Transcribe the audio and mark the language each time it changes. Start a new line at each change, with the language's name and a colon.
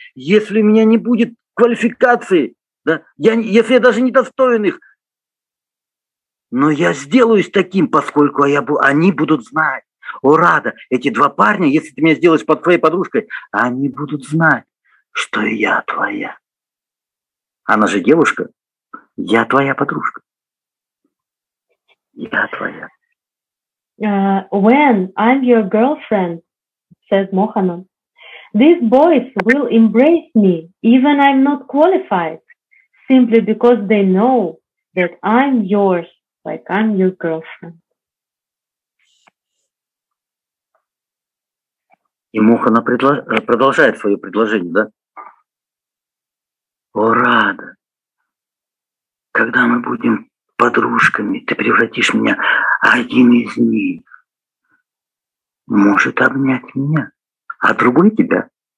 Russian: Если у меня не будет квалификации, да, если я даже не достоин их, но я сделаюсь таким, поскольку они будут знать. О, Рада, эти два парня, если ты меня сделаешь под твоей подружкой, они будут знать, что я твоя. Она же девушка, я твоя подружка.
English: When I'm your girlfriend, said Mohana, these boys will embrace me even I'm not qualified, simply because they know that I'm yours, like I'm your girlfriend.
Russian: И Мохана продолжает свое предложение, да? О, Рада, когда мы будем подружками, ты превратишь меня, один из них может обнять меня, а другой тебя.